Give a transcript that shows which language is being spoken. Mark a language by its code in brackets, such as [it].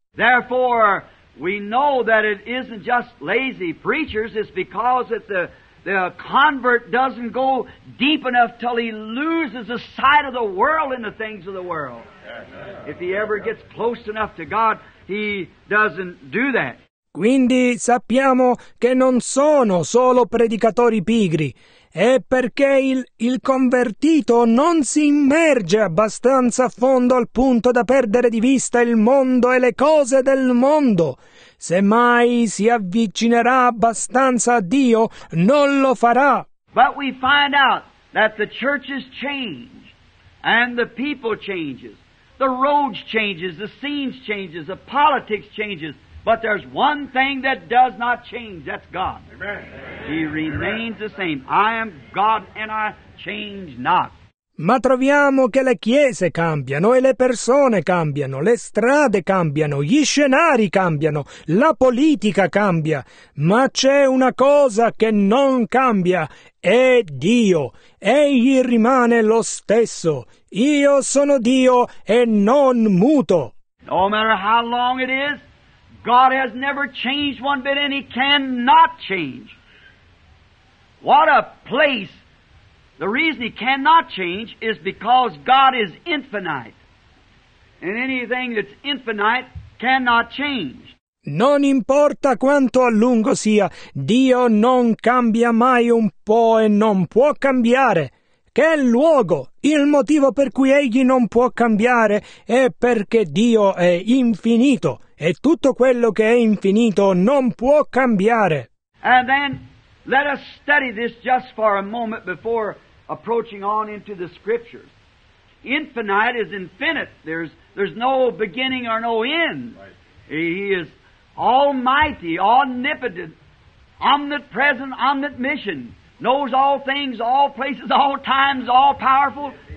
[en] Therefore, we know that it isn't just lazy preachers, it's because that the convert doesn't go deep enough till he loses the sight of the world and the things of the world. If he ever gets close enough to God, he doesn't do that. [it] Quindi sappiamo che non sono solo predicatori pigri. È perché il convertito non si immerge abbastanza a fondo al punto da perdere di vista il mondo e le cose del mondo. Semmai si avvicinerà abbastanza a Dio, non lo farà. [en] But we find out that the churches change, and the people changes, the roads changes, the scenes changes, the politics changes. But there's one thing that does not change, that's God. Amen. He remains the same. I am God and I change not. [it] Ma troviamo che le chiese cambiano e le persone cambiano, le strade cambiano, gli scenari cambiano, la politica cambia, ma c'è una cosa che non cambia, è Dio. Egli rimane lo stesso. Io sono Dio e non muto. [en] No matter how long it is, God has never changed one bit and He cannot change. What a place! The reason He cannot change is because God is infinite. And anything that's infinite cannot change. [it] Non importa quanto a lungo sia, Dio non cambia mai un po' e non può cambiare. Che luogo! Il motivo per cui Egli non può cambiare è perché Dio è infinito. E tutto quello che è infinito non può cambiare. [en] And then, let us study this just for a moment before approaching on into the Scriptures. Infinite is infinite. There's no beginning or no end. Right. He is almighty, omnipotent, omnipresent, omniscient, knows all things, all places, all times, all powerful.